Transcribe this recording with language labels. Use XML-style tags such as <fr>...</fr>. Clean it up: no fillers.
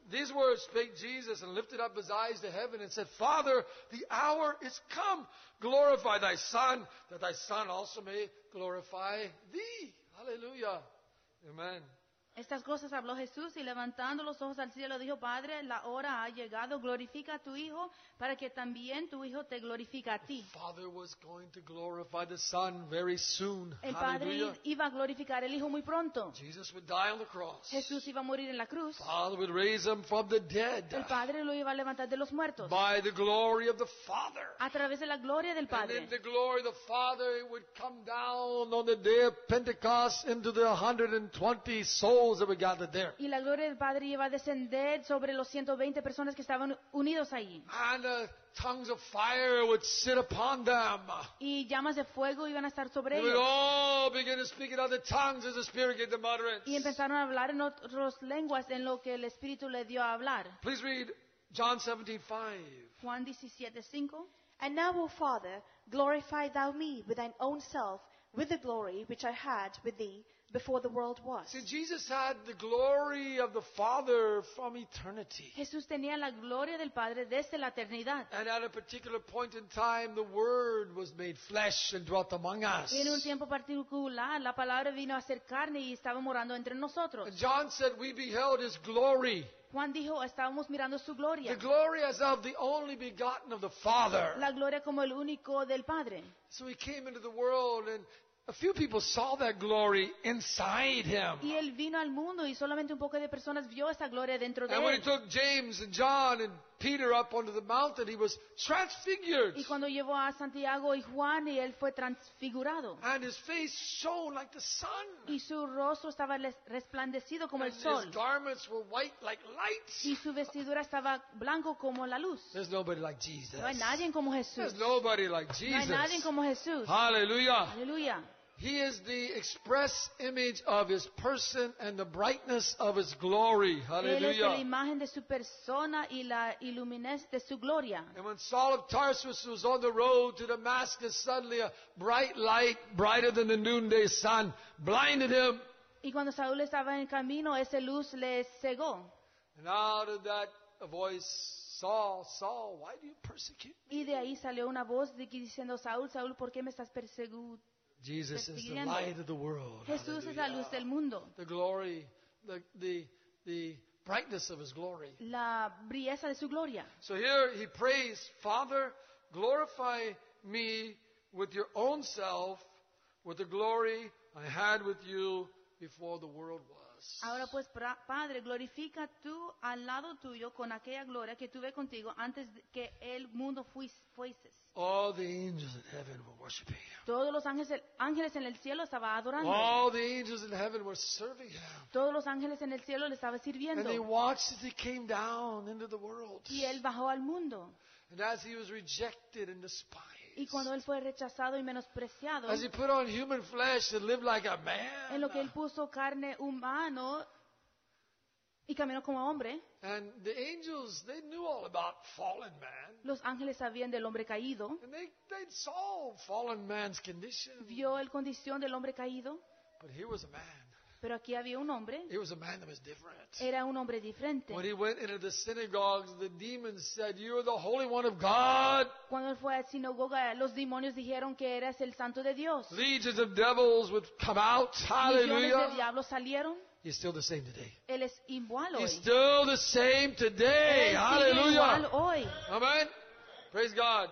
<en>These words spake Jesus and lifted up his eyes to heaven and said, Father, the hour is come. Glorify thy Son, that thy Son also may glorify thee. Hallelujah. Amen.</en> <es>Estas cosas habló Jesús y levantando los ojos al cielo dijo, Padre, la hora ha llegado. Glorifica a tu Hijo para que también tu Hijo te glorifique a ti.</es> <en>The Father was going to glorify the Son very soon.</en> <es>El Padre</es> <en>Hallelujah.</en> <es>Iba a glorificar al Hijo muy pronto.</es> <en>Jesus would die on the cross.</en> <es>Jesús iba a morir en la cruz.</es> <en>The Father would raise him from the dead.</en> <es>El Padre lo iba a levantar de los muertos.</es> <en>By the glory of the Father.</en> <es>A través de la gloria del Padre.</es> <en>And in the glory of the Father it would come down on the day of Pentecost into the 120 souls.</en> <es>Y la gloria del Padre iba a descender sobre los 120 personas que estaban unidos allí.</es> <en>And tongues of fire would sit upon them.</en> <es>Y llamas de fuego iban a estar sobre ellos.</es> <en>They would all begin to speak in other tongues as the Spirit gave them utterance.</en> <es>Y empezaron a hablar en otras lenguas en lo que el Espíritu le dio a hablar.</es> <en>Please read John 17:5.</en> <es>Juan 17:5.</es> <en>And now, O Father, glorify thou me with thine own self, with the glory which I had with thee. Before the world was. See, Jesus had the glory of the Father from eternity.</en> <es>Jesús tenía la gloria del Padre desde la eternidad.</es> <en>And at a particular point in time, the Word was made flesh and dwelt among us.</en> <es>Y en un tiempo particular, la palabra vino a ser carne y estaba morando entre nosotros.</es> <en>And John said, "We beheld His glory."</en> <es>Juan dijo, estábamos mirando su gloria.</es> <en>The glory as of the only begotten of the Father.</en> <es>La gloria como el único del Padre.</es> <en>So He came into the world and. A few people saw that glory inside him.</en> <es>Y él vino al mundo y solamente un poco de personas vio esa gloria dentro de él.</es> <en>And when he took James and John and Peter up onto the mountain, he was transfigured.</en> <es>Y cuando llevó a Santiago y Juan y él fue transfigurado.</es> <en>And his face shone like the sun.</en> <es>Y su rostro estaba resplandecido como el sol.</es> <en>And his garments were white like light.</en> <es>Y su vestidura estaba blanco como la luz.</es> <en>There's nobody like Jesus.</en> <es>No hay nadie como Jesús.</es> <en>There's nobody like Jesus.</en> <es>No hay nadie como Jesús.</es> <en>Hallelujah. Hallelujah. He is the express image of His person and the brightness of His glory. Hallelujah.</en> <es>Él es la imagen de su persona y la iluminez de su gloria.</es> <en>And when Saul of Tarsus was on the road to Damascus, suddenly a bright light, brighter than the noonday sun, blinded him.</en> <es>Y cuando Saúl estaba en camino, esa luz le cegó.</es> <en>And out of that, a voice, Saul, Saul, why do you persecute me?</en> <es>Y de ahí salió una voz de que diciendo, Saúl, Saúl, ¿por qué me estás persiguiendo?</es> <en>Jesus is the light of the world.</en> <es>Jesús es la luz del mundo.</es> <en>The glory, the brightness of His glory.</en> <es>La brilleza de su gloria.</es> <en>So here he prays, Father, glorify me with your own self, with the glory I had with you before the world was.</en> <es>Ahora pues, Padre, glorifica tú al lado tuyo con aquella gloria que tuve contigo antes que el mundo fuese.</es> <en>All the angels in heaven were worshiping him.</en> <es>Todos los ángeles en el cielo estaba adorando.</es> <en>All the angels in heaven were serving him.</en> <es>Todos los ángeles en el cielo le estaba sirviendo.</es> <en>And they watched as he came down into the world.</en> <es>Y él bajó al mundo.</es> <en>And as he was rejected and despised.</en> <es>Y cuando él fue rechazado y menospreciado.</es> <en>As he put on human flesh and lived like a man.</en> <es>En lo que él puso carne humano. Y caminó como hombre.</es> <en>And the angels, they knew all about fallen man.</en> <es>Los ángeles sabían del hombre caído.</es> <en>And they saw fallen man's condition.</en> <es>Vio el condición del hombre caído.</es> <en>But here was a man.</en> <es>Pero aquí había un hombre.</es> <en>He was a man that was different.</en> <es>Era un hombre diferente.</es> <en>When he went into the synagogues, the demons said, "You are the Holy One of God."</en> <es>Cuando él fue a la sinagoga, los demonios dijeron que eras el Santo de Dios.</es> <en>Legions of devils would come out. Hallelujah.</en> <es>Millones de diablos salieron.</es> <en>He's still the same today.</en> <es>Él es igual hoy.</es> <en>He's still the same today.</en> <es>Él sigue</es> <en>Hallelujah.</en> <es>Igual hoy.</es> <en>Amen. Praise God.</en>